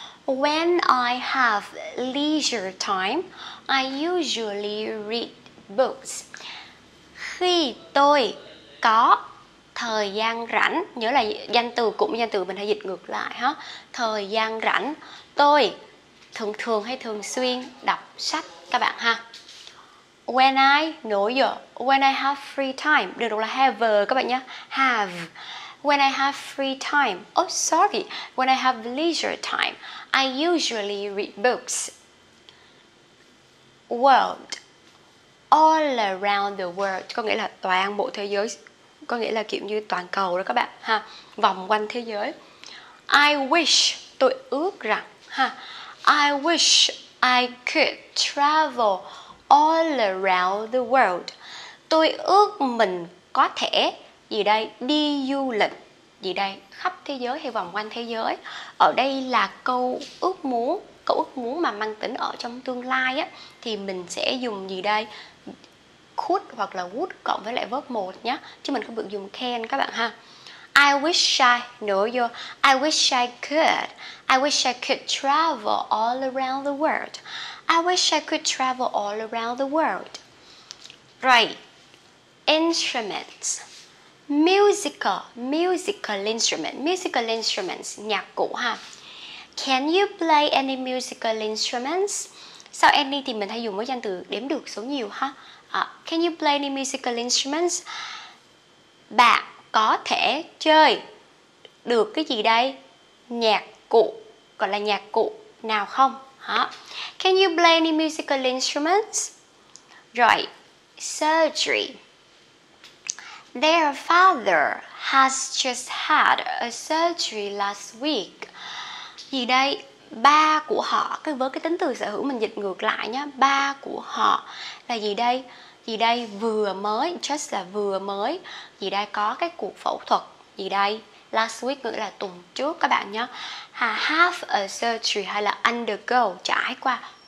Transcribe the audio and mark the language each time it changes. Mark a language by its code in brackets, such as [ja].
[en] When I have leisure time, I usually read books. [vi] Khi tôi có thời gian rảnh, nhớ là danh từ cũng danh từ mình hay dịch ngược lại ha. Thời gian rảnh, tôi thường thường hay thường xuyên đọc sách các bạn ha. [en] When I [vi] nổi giờ, [en] when I have free time, [vi] được đọc là [en] have [vi] các bạn nhé. [en] Have. When I have free time, oh sorry, when I have leisure time, I usually read books. World. All all around the world, [vi] có nghĩa là toàn bộ thế giới, có nghĩa là kiểu như toàn cầu đó các bạn ha, vòng quanh thế giới. [en] I wish, [vi] tôi ước rằng ha, [en] I wish I could travel all around the world. [vi] Tôi ước mình có thể gì đây, đi du lịch gì đây, khắp thế giới hay vòng quanh thế giới. Ở đây là câu ước muốn mà mang tính ở trong tương lai á, thì mình sẽ dùng gì đây, could hoặc là would cộng với lại verb 1 nhé, chứ mình không được dùng can các bạn ha. [en] I wish I, [vi] nữa vô, [en] I wish I could, I wish I could travel all around the world, I wish I could travel all around the world. Right, instruments, musical instruments, [vi] nhạc cụ ha. [en] Can you play any musical instruments? [vi] Sau any thì mình hay dùng với danh từ đếm được số nhiều ha. [en] Can you play any musical instruments? [vi] Bạn có thể chơi được cái gì đây? Nhạc cụ, gọi là nhạc cụ nào không? [en] Ha. Can you play any musical instruments? Right, surgery. Their father has just had a surgery last week. [vi] Gì đây? Ba của họ, cái với cái tính từ sở hữu mình dịch ngược lại nhé. Ba của họ là gì đây? Gì đây? Vừa mới, just là vừa mới. Gì đây? Có cái cuộc phẫu thuật. Gì đây? [en] Last week [vi] nghĩa là tuần trước các bạn nhé. [en] Have a surgery [vi] hay là [en] undergo, [vi] trải qua.